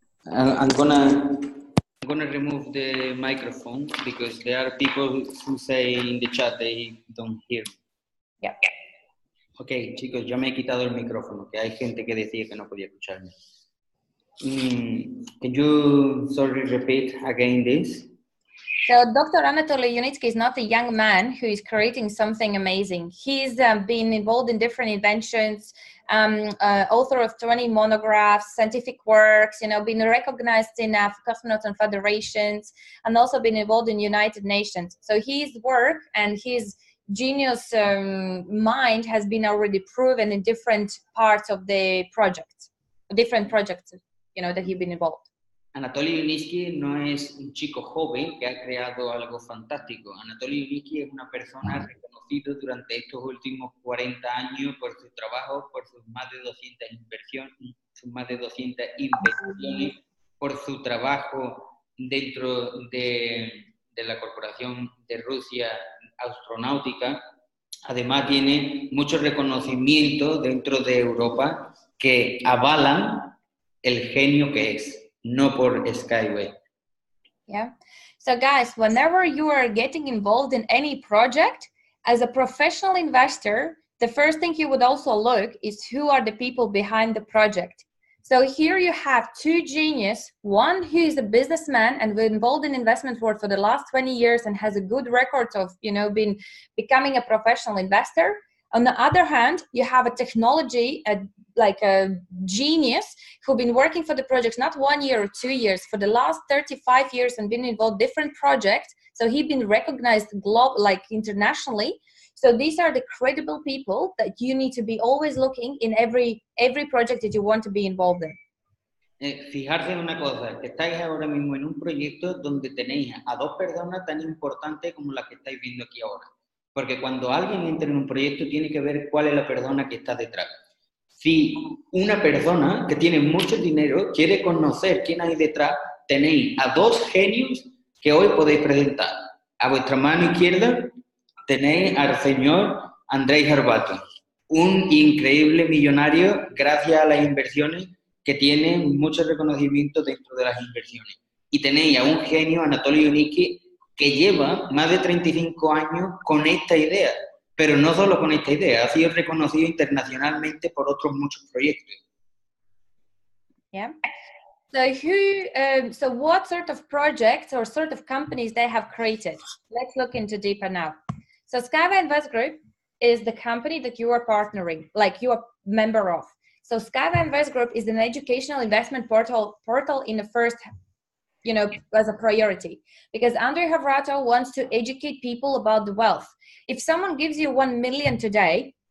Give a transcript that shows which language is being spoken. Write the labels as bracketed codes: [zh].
[en] I'm gonna remove the microphone because there are people who say in the chat they don't hear. Yeah. [es] Okay, chicos, ya me he quitado el micrófono, que hay gente que decía que no podía escucharme. [en] Can you, sorry, repeat again this? So Dr. Anatoly Yunitsky is not a young man who is creating something amazing. He's been involved in different inventions, author of 20 monographs, scientific works, you know, been recognized in cosmonauts and federations, and also been involved in United Nations. So his work and his genius mind has been already proven in different parts of the project, different projects, you know, that he's been involved. [es] Anatoly Yunitsky no es un chico joven que ha creado algo fantástico. Anatoly Yunitsky es una persona reconocida durante estos últimos 40 años por su trabajo, por sus más de 200 inversiones, por su trabajo dentro de la corporación de Rusia astronáutica. Además, tiene mucho reconocimiento dentro de Europa que avalan el genio que es. No por SkyWay. [en] Yeah. So guys, whenever you are getting involved in any project, as a professional investor, the first thing you would also look is who are the people behind the project. So here you have two genius, one who is a businessman and been involved in investment world for the last 20 years and has a good record of, you know, been becoming a professional investor. On the other hand, you have a technology, like a genius who've been working for the projects, not 1 year or 2 years, for the last 35 years and been involved in different projects. So he's been recognized internationally. So these are the credible people that you need to be always looking in every project that you want to be involved in. [es] Fijarse en una cosa, que estáis ahora mismo en un proyecto donde tenéis a dos personas tan importantes como las que estáis viendo aquí ahora. Porque cuando alguien entra en un proyecto, tiene que ver cuál es la persona que está detrás. Si una persona que tiene mucho dinero quiere conocer quién hay detrás, tenéis a dos genios que hoy podéis presentar. A vuestra mano izquierda tenéis al señor Andrei Harbato, un increíble millonario gracias a las inversiones que tiene mucho reconocimiento dentro de las inversiones. Y tenéis a un genio, Anatoly Yunitsky, que lleva más de 35 años con esta idea. Pero no solo con esta idea, ha sido reconocido internacionalmente por otros muchos proyectos. [en] Yeah. So who? So what sort of projects or sort of companies they have created? Let's look into deeper now. So SkyWay Invest Group is the company that you are partnering, like you are member of. So SkyWay Invest Group is an educational investment portal in the first, you know, as a priority, because Andrei Havrato wants to educate people about the wealth. If someone gives you 1 million today,